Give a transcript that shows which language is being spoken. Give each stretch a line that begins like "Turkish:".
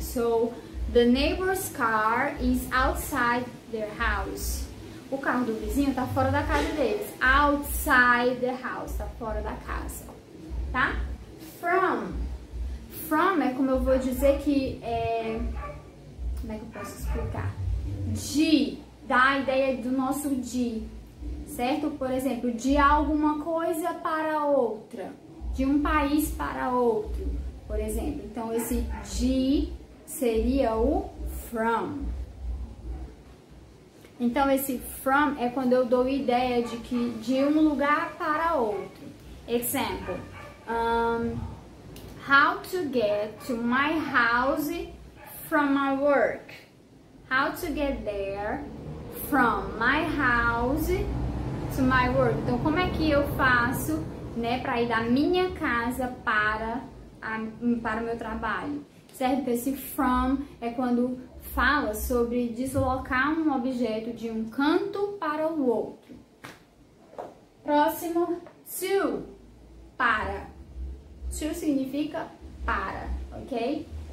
English: So, the neighbor's car is outside their house.
Portuguese: O carro do vizinho tá fora da casa deles.
English: Outside the house,
Portuguese: tá fora da casa, tá? From é como eu vou dizer que é... Como é que eu posso explicar? De, dá a ideia do nosso de, certo? Por exemplo, de alguma coisa para outra. De um país para outro, por exemplo. Então, esse de seria o from. Então, esse from é quando eu dou ideia de que de um lugar para outro.
English: Example. How to get to my house from my work. How to get there from my house to my work.
Portuguese: Então, como é que eu faço, né, para ir da minha casa para o meu trabalho? Certo? Então, esse from é quando fala sobre deslocar um objeto de um canto para o outro. Próximo, to, para. To significa para, ok?